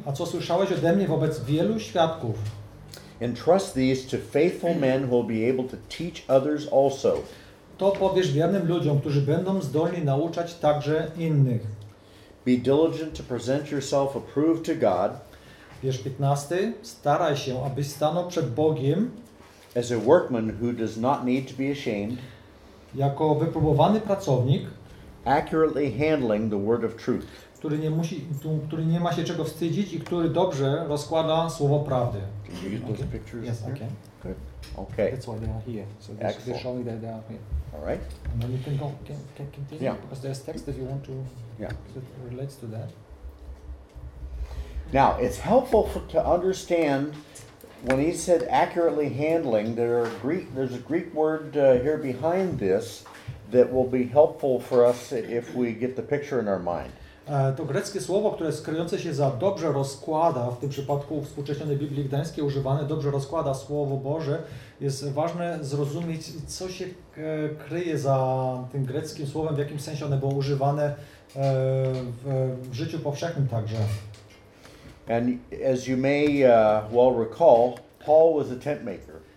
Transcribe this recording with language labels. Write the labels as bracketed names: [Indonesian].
[Polish] A co słyszałeś ode mnie wobec wielu świadków? [English] Entrust these to faithful men who will be able to teach others also. [Polish] To powiesz wiernym ludziom, którzy będą zdolni nauczać także innych. [English] Be diligent to present yourself approved to God. [Polish] Wiersz 15. Staraj się, abyś stanął przed Bogiem. [English] As a workman who does not need to be ashamed. [Polish] Jako wypróbowany pracownik, [English] accurately handling the word of truth, [Polish] który nie musi, który nie ma się czego wstydzić i który dobrze rozkłada słowo prawdy. [English] Can you use those pictures? Yes, there? I can. Good. Okay. That's why they are here. So this, they're showing that they are here. All right. And then you can go, can continue, yeah. Because there's text that you want to, yeah, that relates to that. Now, it's helpful to understand. When he said accurately handling, there's a Greek word here behind this that will be helpful for us if we get the picture in our mind. [Polish] To greckie słowo, które skryjące się za dobrze rozkłada, w tym przypadku współcześnionej Biblii Gdańskiej używane, dobrze rozkłada słowo Boże, jest ważne zrozumieć, co się kryje za tym greckim słowem, w jakim sensie one było używane w życiu powszechnym także. [English] And as you may well recall, Paul was a tent maker.